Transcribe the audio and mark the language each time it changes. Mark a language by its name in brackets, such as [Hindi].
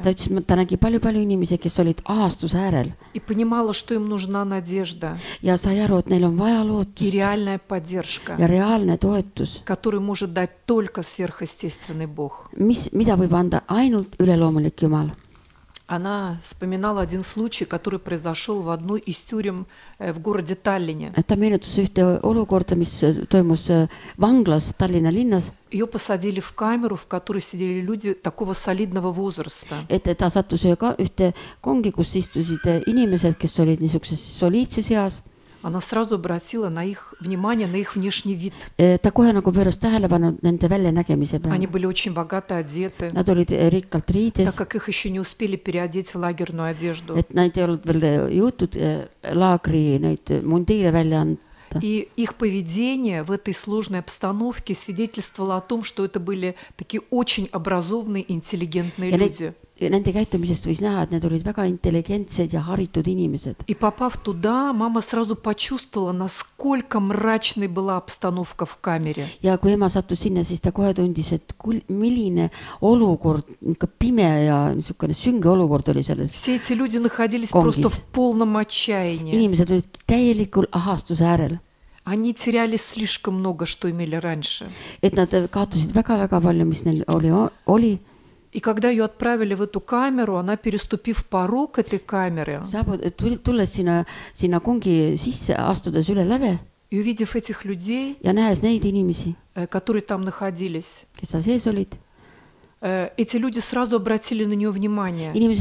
[Estonian] Ta ütles, ta nägi palju inimesi, kes olid aastus äärel. [Russian] И понимала, что им нужна надежда. [Estonian] Ja sai aru, et neil on vaja lootust. [Russian] И реальная поддержка. [Estonian] Ja reaalne toetus. [Russian] Который может дать только сверхъестественный Бог. [Estonian] Mida võib anda ainult üleloomulik Jumal. [Russian] Она вспоминала один случай, который произошел в одной из тюрем в городе Таллине. [Estonian] Ta meenutas ühte olukorda, mis toimus vanglas Tallinna linnas. [Russian] Ее посадили в камеру, в которой сидели люди такого солидного возраста. [Estonian] Ta sattus ühe ühte kongi, kus istusid inimesed, kes olid niisuguses soliidses eas. [Russian] Она сразу обратила на их внимание, на их внешний вид. [Estonian] Ta kohe nagu pööras tähelepanu nende väljanägemise peale. [Russian] Они были очень богато одеты. [Estonian] Nad olid rikkalt riides. [Russian] Так как их еще не успели переодеть в лагерную одежду. [Estonian] Et nad ei olnud veel jõutud laagri neid mundiire välja anda. [Russian] И их поведение в этой сложной обстановке свидетельствовало о том, что это были такие очень образованные, интеллигентные люди. [Estonian] Ja nende käitumisest võis näha, et need olid väga intelligentsed ja haritud inimesed. [Russian] И попав туда, мама сразу почувствовала, насколько мрачной была обстановка в камере. [Estonian] Ja kui ema sattus sinna, siis ta kohe tundis, et milline olukord, pime ja niisugune sünge olukord oli selles. [Russian] Все эти люди находились просто в полном отчаянии. [Estonian] Inimesed olid täielikul ahastuse äärel. [Russian] Они теряли слишком много, что имели раньше. [Estonian] Et nad kaotasid väga-väga palju, mis neil oli. [Russian] И когда ее отправили в эту камеру, она, переступив порог этой камеры, [Estonian] sinna kongi sisse, astudes üle läve, [Russian] и увидев этих людей, [Estonian] ja nähes neid inimesi, [Russian] которые там находились, [Estonian] kes sa sees olid, [Russian] эти люди сразу обратили на нее внимание.